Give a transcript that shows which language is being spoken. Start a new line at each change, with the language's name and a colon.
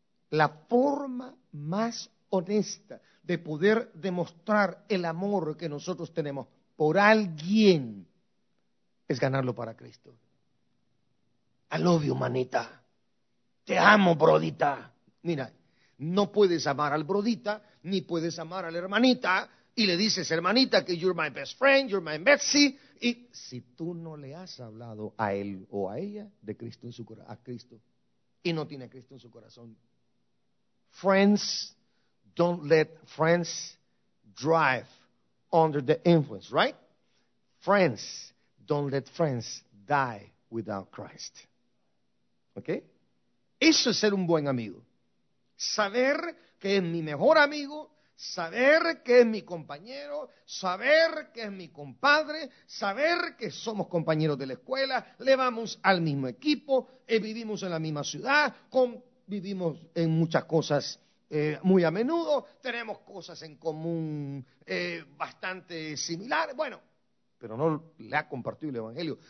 Spanish: La forma más honesta de poder demostrar el amor que nosotros tenemos por alguien es ganarlo para Cristo.
English: I love you,
Spanish: manita. Te amo, brodita. Mira, no puedes amar al brodita ni puedes amar a la hermanita. Y le dices, hermanita, que
English: you're my best friend, you're my Betsy.
Spanish: Y si tú no le has hablado a él o a ella de Cristo en su corazón, a Cristo, y no tiene a Cristo en su corazón.
English: Friends, don't let friends drive under the influence, right? Friends, don't let friends die without Christ.
Spanish: Okay? Eso es ser un buen amigo. Saber que es mi mejor amigo. Saber que es mi compañero, saber que es mi compadre, saber que somos compañeros de la escuela, le vamos al mismo equipo, vivimos en la misma ciudad, vivimos en muchas cosas muy a menudo, tenemos cosas en común bastante similares, bueno, pero no le ha compartido el Evangelio.